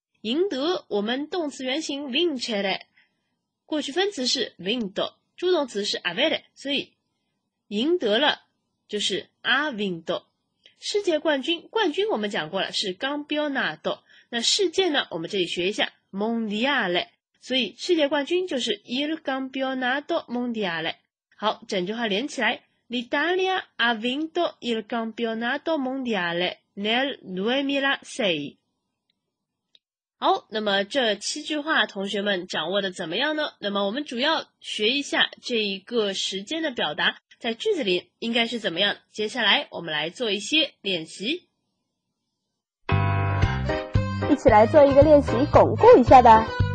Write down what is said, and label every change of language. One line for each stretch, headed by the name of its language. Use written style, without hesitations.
Chinese: 赢得，我们动词原形 vincere， 过去分词是 vinto， 助动词是 avere， 所以赢得了就是
Italian: ha vinto。
Chinese: 世界冠军，冠军我们讲过了是 campionato， 那世界呢，我们这里学一下 mondiale， 所以世界冠军就是
Italian: il campionato mondiale。
Chinese: 好，整句话连起来，
Italian: L'Italia ha vinto il campionato mondiale nel 2006。
Chinese: 好，那么这七句话同学们掌握的怎么样呢？那么我们主要学一下这一个时间的表达在句子里应该是怎么样，接下来我们来做一些练习，一起来做一个练习巩固一下的。